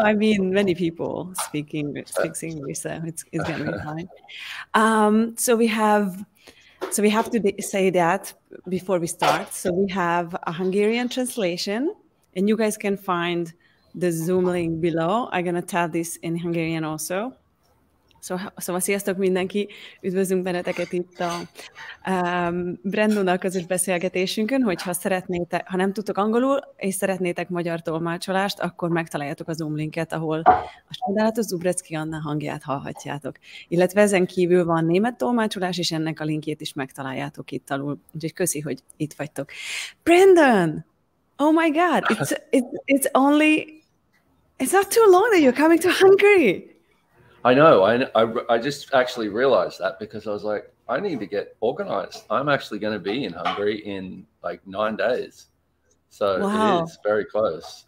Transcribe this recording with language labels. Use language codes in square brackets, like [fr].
[en] I mean, many people speaks English, so it's going to be fine. So we have to say that before we start. So we have a Hungarian translation. And you guys can find the Zoom link below. I'm going to tell this in Hungarian also. [hu] So sziasztok mindenki, üdvözlünk benneteket itt a Brendonnal közös beszélgetésünkön, hogyha szeretnétek, ha nem tudtok angolul, és szeretnétek magyar tolmácsolást, akkor megtaláljátok a Zoom linket, ahol a csodálatos Zubrecki Anna hangját hallhatjátok. Illetve ezen kívül van német tolmácsolás, és ennek a linkjét is megtaláljátok itt alul. Úgyhogy köszi, hogy itt vagytok. [en] Brendon! Oh my God! It's not too long that you're coming to Hungary. I know. I just actually realized that because I was like, I need to get organized. I'm actually going to be in Hungary in like 9 days, so it's very close.